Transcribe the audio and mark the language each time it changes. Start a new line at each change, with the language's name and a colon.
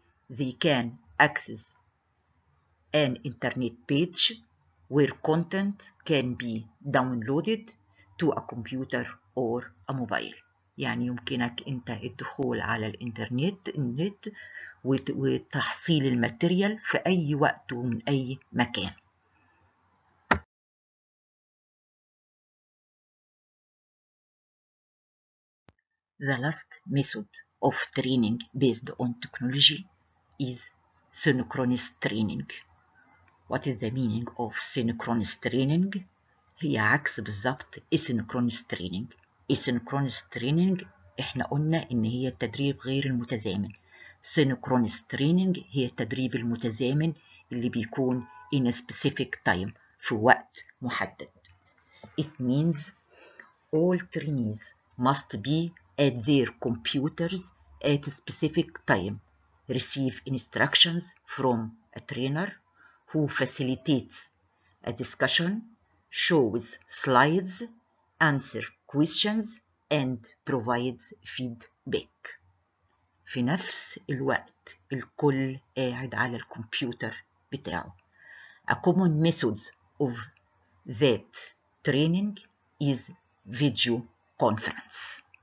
English: They can access an internet page where content can be downloaded to a computer or a mobile.
Arabic: يعني يمكنك أنت الدخول على الإنترنت وتحصيل الماتيريال في أي وقت ومن أي مكان.
English: The last method of training based on technology is synchronous training. What is the meaning of synchronous training?
Arabic: هي عكس بالظبط
English: asynchronous training.
Arabic: Asynchronous training احنا قلنا ان هي التدريب غير المتزامن. Synchronous training هي التدريب المتزامن اللي بيكون
English: in a specific time
Arabic: في وقت محدد.
English: It means all trainees must be at their computers at a specific time, receive instructions from a trainer who facilitates a discussion, shows slides, answers questions, and provides feedback.
Arabic: في نفس الوقت الكل قاعد على الكمبيوتر بتاعه.
English: A common method of that training is video conference.